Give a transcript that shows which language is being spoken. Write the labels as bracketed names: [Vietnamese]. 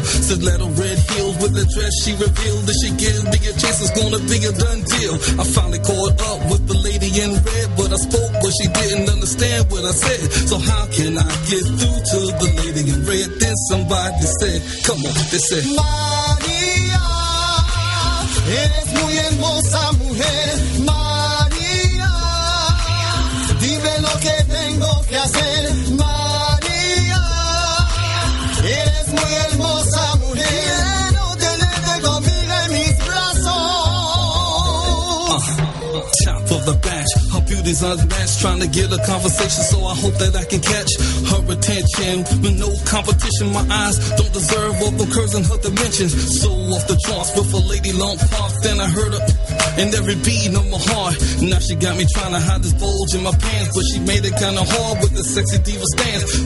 [English] Said little red heels with the dress she revealed. That she gives me a chance, it's gonna be a done deal. I finally caught up with the lady in red, but I spoke, but she didn't understand what I said. So how can I get through to the lady in red? Then somebody said, come on, they said, [Spanish] Maria, eres muy hermosa mujer. Maria, dime lo que tengo que hacer. Maria, eres muy hermosa mujer. Quiero tenerte conmigo en mis brazos. [English] Top of the batch. Beauty's unmatched, trying to get a conversation, so I hope that I can catch her attention. With no competition, my eyes don't deserve what occurs in her dimensions. So off the charts with a lady long park, then I heard her in every beat of my heart. Now she got me trying to hide this bulge in my pants, but she made it kind of hard with the sexy diva stance.